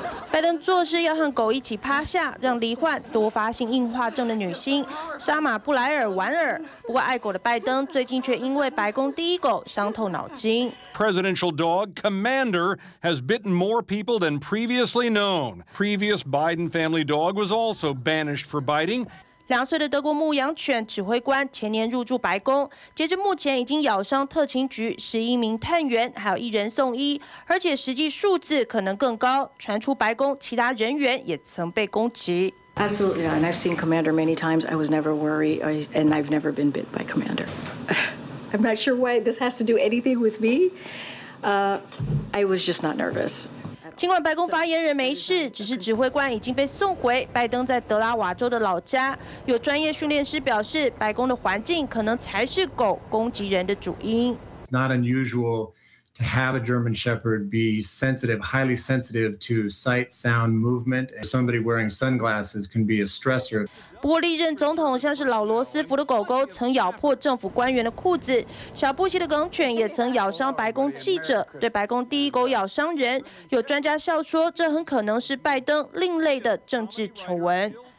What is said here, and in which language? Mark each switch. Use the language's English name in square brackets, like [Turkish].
[Chinese] 拜登做事要和狗一起趴下，让罹患多发性硬化症的女星莎玛布莱尔莞尔。不过爱狗的拜登最近却因为白宫第一狗伤透脑筋。 [English] Presidential dog Commander has bitten more people than previously known. Previous Biden family dog was also banished for biting. [Chinese] 两岁的德国牧羊犬指挥官前年入住白宫，截至目前已经咬伤特勤局11名探员，还有1人送医，而且实际数字可能更高。传出白宫其他人员也曾被攻击。 [English] Absolutely, and I've seen Commander many times. I was never worried, and I've never been bit by Commander. I'm not sure why this has to do anything with me. I was just not nervous. [Chinese] 尽管白宫发言人没事，只是指挥官已经被送回拜登在德拉瓦州的老家。有专业训练师表示，白宫的环境可能才是狗攻击人的主因。 [English] It's not unusual to have a German Shepherd be sensitive, highly sensitive to sight, sound, movement. Somebody wearing sunglasses can be a stressor. [Chinese] 不过，历任总统像是老罗斯福的狗狗曾咬破政府官员的裤子，小布希的梗犬也曾咬伤白宫记者，对白宫第一狗咬伤人。有专家笑说，这很可能是拜登另类的政治丑闻。